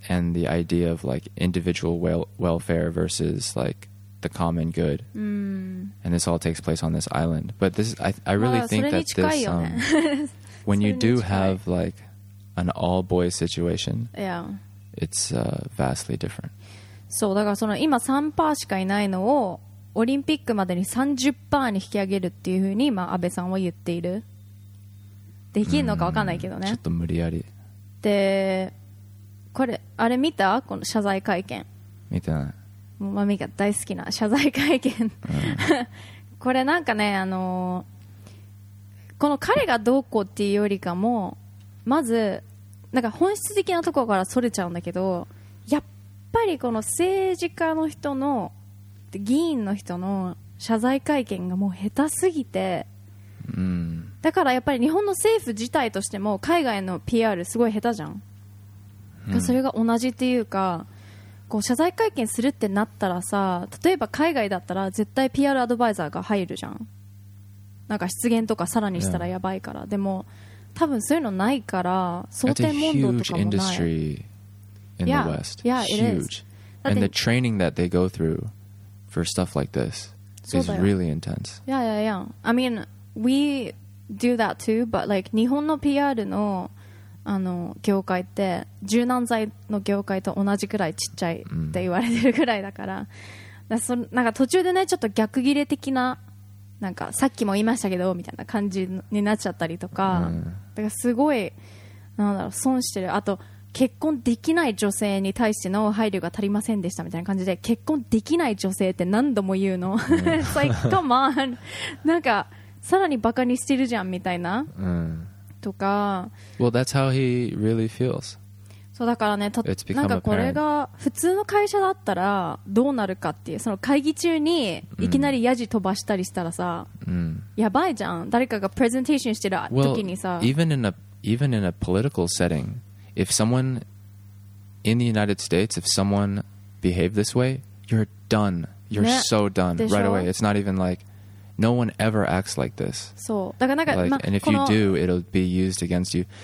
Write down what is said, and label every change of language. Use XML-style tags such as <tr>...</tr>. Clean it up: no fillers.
<en>And the idea of like individual welfare versus like the common good. And this all takes place on this island. But this, I really think that this when you do have like an all boys situation, yeah, it's vastly different.</en> <ja>そうだから、その今 3% しかいないのをオリンピックまでに 30% に引き上げるっていうふうに今安倍さんは言っている。できるのか分かんないけどね、ちょっと無理やり。でこれあれ見た、この謝罪会見見てない。マミが大好きな謝罪会見、これなんかね、この彼がどうこうっていうよりかも、まずなんか本質的なところからそれちゃうんだけど、やっぱりこの政治家の人の、議員の人の謝罪会見がもう下手すぎて、だからやっぱり日本の政府自体としても海外の PR すごい下手じゃん、それが同じっていうか、こう謝罪会見するってなったらさ、例えば海外だったら絶対 PR アドバイザーが入るじゃん、なんか失言とかさらにしたらやばいから、でも多分そういうのないから、想定問答とかもない。</ja> <en>In the West, yeah, huge, and the training that they go through for stuff like this is really intense. Yeah, yeah, yeah. I mean, do that too, but like</en> <ja>日本の PR の、あの業界って柔軟剤の業界と同じくらいちっちゃいって言われてるくらいだから、だからそなんか途中でねちょっと逆切れ的な、なんかさっきも言いましたけどみたいな感じになっちゃったりとか、だからすごいなんだろう損してる。あと結婚できない女性に対しての配慮が足りませんでしたみたいな感じで、結婚できない女性って何度も言うの、うん、</ja> <en>like, come on.</en> <ja>なんかさらにバカにしてるじゃんみたいな、うん、とか。</ja> <en>Well, that's how he really feels.</en> <ja>そうだからね、なんかこれが普通の会社だったらどうなるかっていう、その会議中にいきなりヤジ飛ばしたりしたらさ、うん、やばいじゃん。誰かがプレゼンテーションしてる時にさ、</ja> <en>well, even in a political settingIf someone in the United States, if someone behaved this way, you're done. You're so done right away. It's not even like, no one ever acts like this.</en> <ja>So, だからなんか、</ja> <en>like,</en> <ja>ま、</ja> <en>and if you do, it'll be used against you.</en>